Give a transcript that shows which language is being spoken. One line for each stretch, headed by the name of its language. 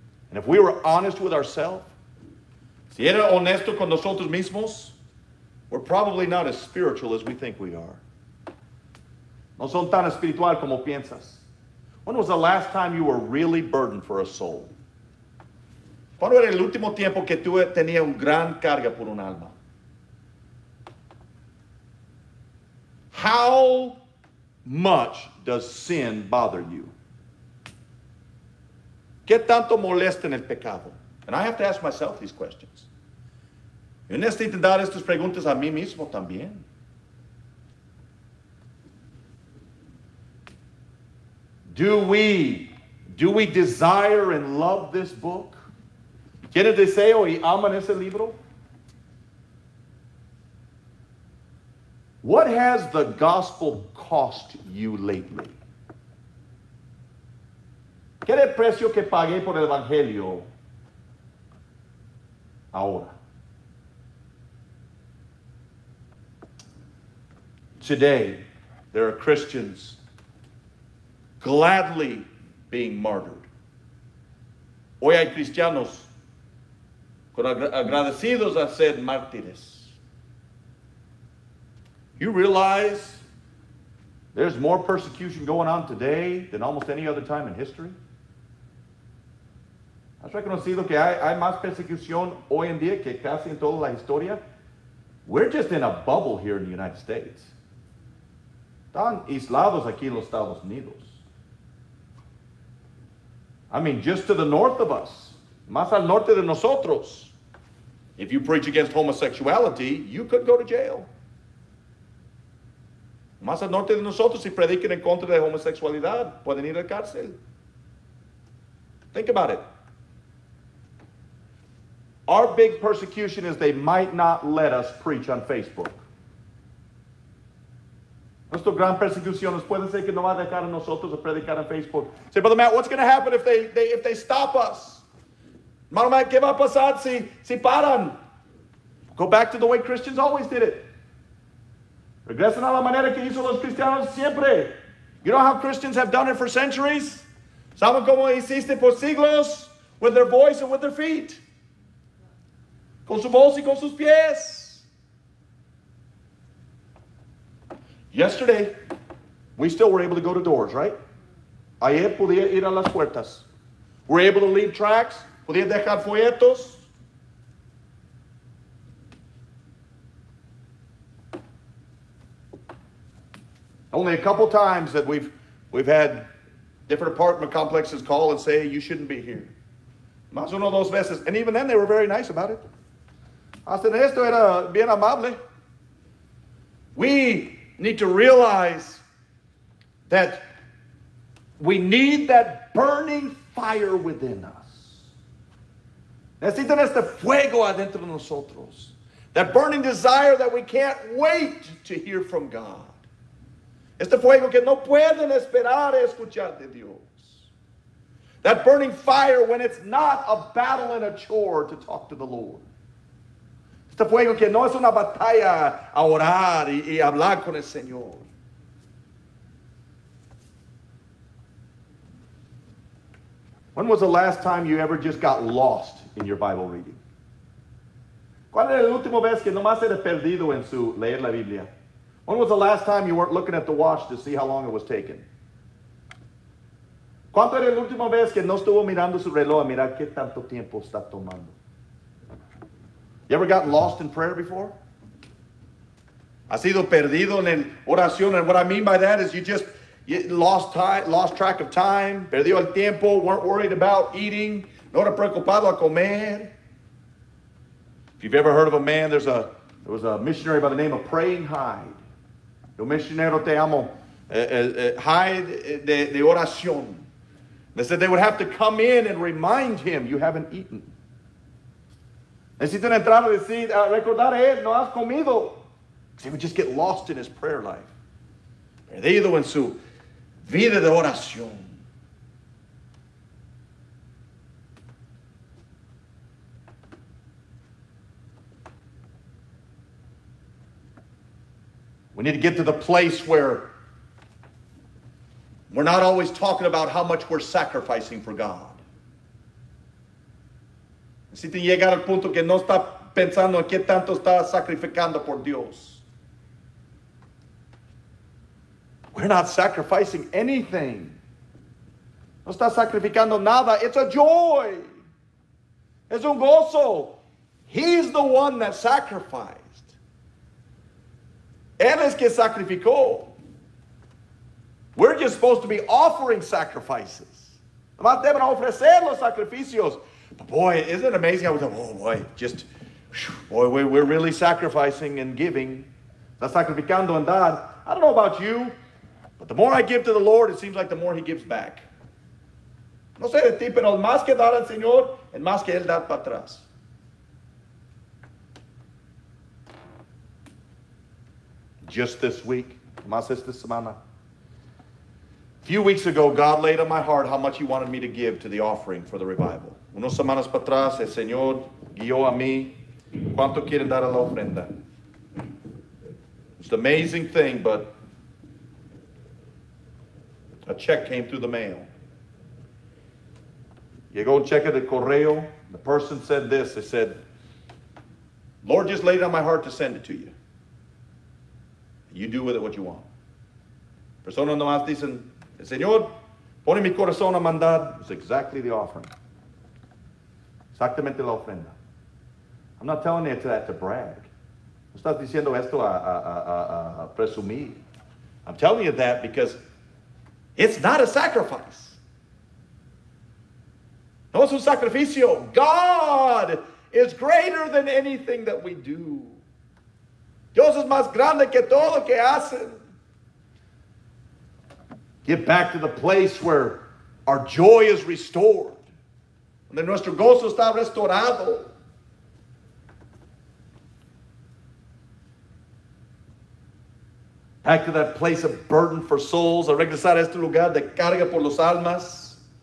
English: And if we were honest with ourselves,
Spanish: si era honesto con nosotros mismos,
English: we're probably not as spiritual as we think we are.
Spanish: No son tan espiritual como piensas.
English: When was the last time you were really burdened for a soul?
Spanish: ¿Cuándo era el último tiempo que tú tenías una gran carga por un alma?
English: How much does sin bother you?
Spanish: ¿Qué tanto molesta en el pecado?
English: And I have to ask myself these questions.
Spanish: Yo necesito intentar estas preguntas a mí mismo también.
English: Do we desire and love this book?
Spanish: ¿Tienes deseo y aman ese libro?
English: What has the gospel cost you lately?
Spanish: ¿Qué es el precio que pagué por el evangelio ahora?
English: Today, there are Christians gladly being martyred.
Spanish: Hoy hay cristianos agradecidos a ser mártires.
English: You realize there's more persecution going on today than almost any other time in history?
Spanish: ¿Has reconocido que hay más persecución hoy en día que casi en toda la historia?
English: We're just in a bubble here in the United States.
Spanish: Están aislados aquí en los Estados Unidos.
English: I mean, just to the north of us.
Spanish: Más al norte de nosotros.
English: If you preach against homosexuality, you could go to jail.
Spanish: Más al norte de nosotros, si predican en contra de homosexualidad, pueden ir a la cárcel.
English: Think about it. Our big persecution is they might not let us preach on Facebook.
Spanish: Nuestro gran persecución es puede ser que no va a dejar a nosotros a predicar en Facebook.
English: Say, Brother Matt, what's going to happen if they stop us?
Spanish: Hermano Matt, ¿qué va a pasar si paran?
English: Go back to the way Christians always did it.
Spanish: Regresan a la manera que hizo los cristianos siempre.
English: You know how Christians have done it for centuries?
Spanish: ¿Saben cómo hiciste por siglos?
English: With their voice and with their feet.
Spanish: Con su voz y con sus pies.
English: Yesterday, we still were able to go to doors, right?
Spanish: Ayer podía ir a las puertas.
English: We're able to leave tracks.
Spanish: Podía dejar folletos.
English: Only a couple times that we've had different apartment complexes call and say, you shouldn't be here.
Spanish: Más uno dos veces.
English: And even then, they were very nice about it.
Spanish: Hasta esto era bien amable.
English: We need to realize that we need that burning fire within us.
Spanish: Necesitan este fuego adentro de nosotros.
English: That burning desire that we can't wait to hear from God.
Spanish: Este fuego que no pueden esperar a escuchar de Dios.
English: That burning fire when it's not a battle and a chore to talk to the Lord.
Spanish: Este fuego que no es una batalla a orar y hablar con el Señor.
English: When was the last time you ever just got lost in your Bible reading?
Spanish: ¿Cuál era la última vez que nomás era perdido en su leer la Biblia?
English: When was the last time you weren't looking at the watch to see how long it was taken?
Spanish: ¿Cuánto era la última vez que no estuvo mirando su reloj a mirar qué tanto tiempo está tomando?
English: You ever gotten lost in prayer before?
Spanish: ¿Has sido perdido en oración?
English: And what I mean by that is you lost track of time,
Spanish: perdió el tiempo,
English: weren't worried about eating,
Spanish: no te preocupado a comer.
English: If you've ever heard of a man, there was a missionary by the name of Praying Hyde.
Spanish: Yo misionero te amo. Hyde de oración.
English: They said they would have to come in and remind him, you haven't eaten.
Spanish: Necesitan entrar a decir, a recordar a él, no has comido.
English: Because he would just get lost in his prayer life.
Spanish: Perdido en su vida de oración.
English: We need to get to the place where We're not always talking about how much we're sacrificing for God.
Spanish: Si te llega al punto que no está pensando en qué tanto está sacrificando por Dios.
English: We're not sacrificing anything.
Spanish: No está sacrificando nada.
English: It's a joy.
Spanish: Es un gozo.
English: He's the one that sacrificed.
Spanish: Él es que sacrificó.
English: We're just supposed to be offering sacrifices.
Spanish: Nomás deben ofrecer los sacrificios.
English: But boy, isn't it amazing? I was like, oh boy, just, boy, we're really sacrificing and giving.
Spanish: Está sacrificando en dar.
English: I don't know about you, but the more I give to the Lord, it seems like the more he gives back.
Spanish: No sé de ti, pero el más que dar al Señor, el más que él da para atrás.
English: Just this week,
Spanish: más esta semana.
English: A few weeks ago, God laid on my heart how much he wanted me to give to the offering for the revival.
Spanish: Unos semanas para atrás, el Señor guió a mí. ¿Cuánto quieren dar a la ofrenda?
English: It's an amazing thing, but a check came through the mail.
Spanish: Llegó un cheque de correo.
English: The person said this. They said, Lord just laid it on my heart to send it to you. You do with it what you want.
Spanish: Persona nomás dicen, el Señor pone mi corazón a mandar.
English: It's exactly the offering.
Spanish: Exactamente la ofrenda.
English: I'm not telling you that to brag.
Spanish: No estás diciendo esto a presumir.
English: I'm telling you that because it's not a sacrifice.
Spanish: No es un sacrificio.
English: God is greater than anything that we do.
Spanish: Dios es más grande que todo lo que hacen.
English: Get back to the place where our joy is restored.
Spanish: Donde nuestro gozo está restaurado.
English: Back to that place of burden for souls.
Spanish: A regresar a este lugar de carga por los almas.